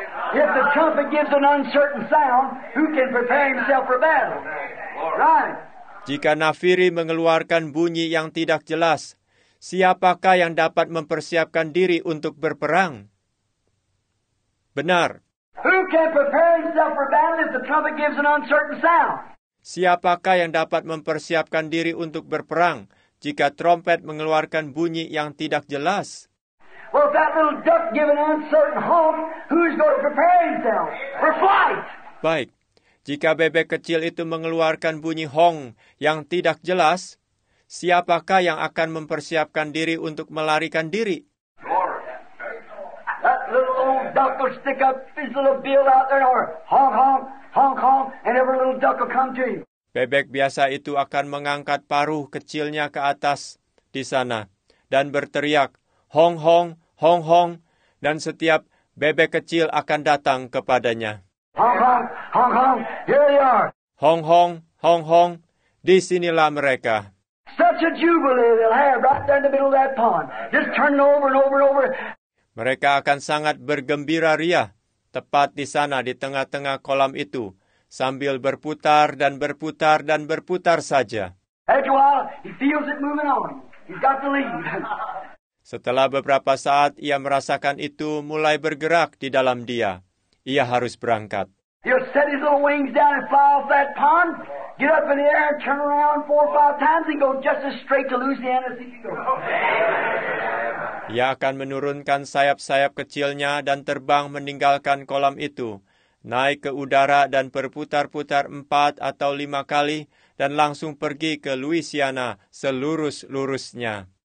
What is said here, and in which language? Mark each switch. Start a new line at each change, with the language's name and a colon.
English: If the trumpet gives an uncertain sound, who can prepare himself for battle? Right.
Indonesian: Jika nafiri mengeluarkan bunyi yang tidak jelas, siapakah yang dapat mempersiapkan diri untuk berperang? Benar.
English: Who can prepare himself for battle if the trumpet gives an uncertain sound?
Indonesian: Siapakah yang dapat mempersiapkan diri untuk berperang jika trompet mengeluarkan bunyi yang tidak jelas?
English: Well, if that little duck gives an uncertain honk, who's going to prepare himself for flight?
Indonesian: Baik, jika bebek kecil itu mengeluarkan bunyi honk yang tidak jelas, siapakah yang akan mempersiapkan diri untuk melarikan diri?
English: That little old duck will stick up his little bill out there, or honk honk honk honk, and every little duck will come to him.
Indonesian: Bebek biasa itu akan mengangkat paruh kecilnya ke atas di sana dan berteriak honk honk honk honk, dan setiap bebek kecil akan datang kepadanya.
English: Honk honk honk honk, here they are.
Indonesian: Honk honk honk honk, di sinilah mereka.
English: Such a jubilee they'll have right there in the middle of that pond, just turning over and over and over.
Indonesian: Mereka akan sangat bergembira ria tepat di sana di tengah-tengah kolam itu, sambil berputar dan berputar dan berputar saja.
English: After a while, he feels it moving on. He's got to leave.
Indonesian: Setelah beberapa saat, ia merasakan itu mulai bergerak di dalam dia. Ia harus berangkat.
English: He'll set his little wings down and fly off that pond, get up in the air and turn around 4 or 5 times and go just as straight to Louisiana as he can go.
Indonesian: Ia akan menurunkan sayap-sayap kecilnya dan terbang meninggalkan kolam itu, naik ke udara dan berputar-putar 4 atau 5 kali, dan langsung pergi ke Louisiana selurus-lurusnya.